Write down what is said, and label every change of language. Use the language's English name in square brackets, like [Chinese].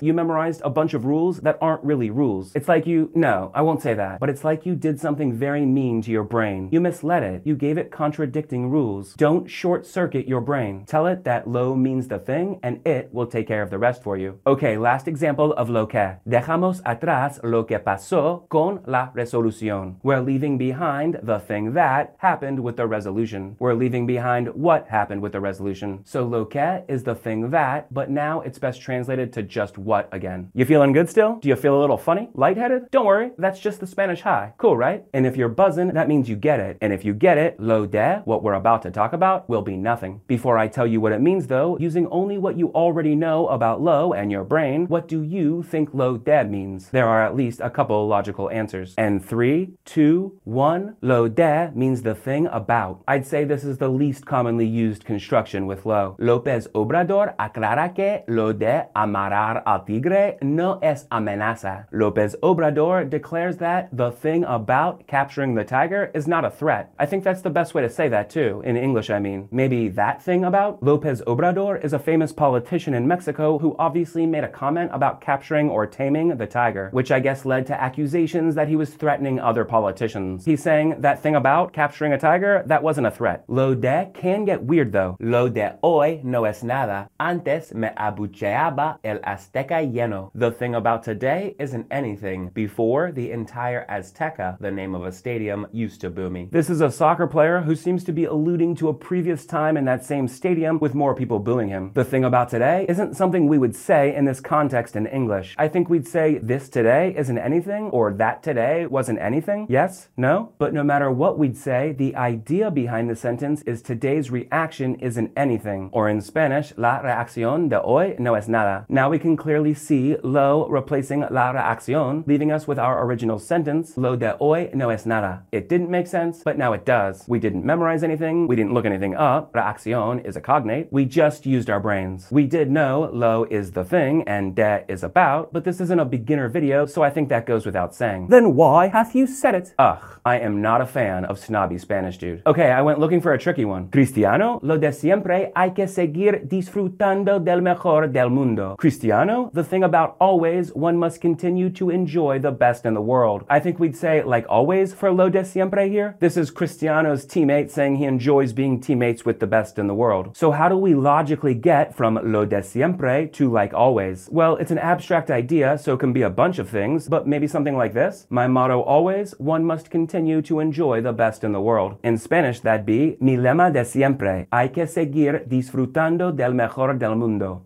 [English] You memorized a bunch of rules that aren't really rules. It's like you, no, I won't say that, but it's like you did something very mean to your brain. You misled it. You gave it contradicting rules. Don't short-circuit your brain. Tell it that lo means the thing, and it will take care of the rest for you. Okay, last example of lo que. [Spanish] Dejamos atrás lo que pasó con la resolución. [English] We're leaving behind the thing that happened with the resolution. We're leaving behind what happened with the resolution. So lo que is the thing that, but now it's best translated to just what again. You feeling good still? Do you feel a little funny? Lightheaded? Don't worry, that's just the Spanish high. Cool, right? And if you're buzzing, that means you get it. And if you get it, lo de, what we're about to talk about, will be nothing. Before I tell you what it means though, using only what you already know about lo and your brain, what do you think lo de means? There are at least a couple logical answers. And 3, 2, 1, lo de means the thing about. I'd say this is the least commonly used construction with lo. [Spanish] López Obrador aclara que lo de amarrar al tigre no es amenaza. [English] López Obrador declares that the thing about capturing the tiger is not a threat. I think that's the best way to say that too, in English I mean. Maybe that thing about? López Obrador is a famous politician in Mexico who obviously made a comment about capturing or taming the tiger, which I guess led to accusations that he was threatening other politicians. He's saying that thing about capturing a tiger, that wasn't a threat. Lo de can get weird though. [Spanish] Lo de hoy no es nada. Antes me abucheaba el Azteca lleno. [English] The thing about today isn't anything. Before, the entire Azteca, the name of a stadium, used to boo me. This is a soccer player who seems to be alluding to a previous time in that same stadium with more people booing him. The thing about today isn't something we would say in this context in English. I think we'd say this today isn't anything or that today wasn't anything. Yes? No? But no matter what we'd say, the idea behind the sentence is today's reaction isn't anything. Or in Spanish, [Spanish] la reacción de hoy no es nada. [English] Now we can clearly see lo replacing la reacción, leaving us with our original sentence, [Spanish] lo de hoy no es nada. [English] It didn't make sense, but now it does. We didn't memorize anything, we didn't look anything up, reacción is a cognate, we just used our brains. We did know lo is the thing and de is about, but this isn't a beginner video, so I think that goes without saying. Then why hath you said it? Ugh, I am not a fan of snobby Spanish, dude. Okay, I went looking for a tricky one. [Spanish] Cristiano, lo de siempre hay que seguir disfrutando del mejor del mundo. [English] Cristiano, the thing about always, one must continue to enjoy the best in the world. I think we'd say like always for lo de siempre here. This is Cristiano's teammate saying he enjoys being teammates with the best in the world. So how do we logically get from lo de siempre to like always? Well, it's an abstract idea, so it can be a bunch of things, but maybe something like this. My motto always, one must continue to enjoy the best in the world. In Spanish, that'd be [Spanish] mi lema de siempre. Hay que seguir disfrutando del mejor del mundo.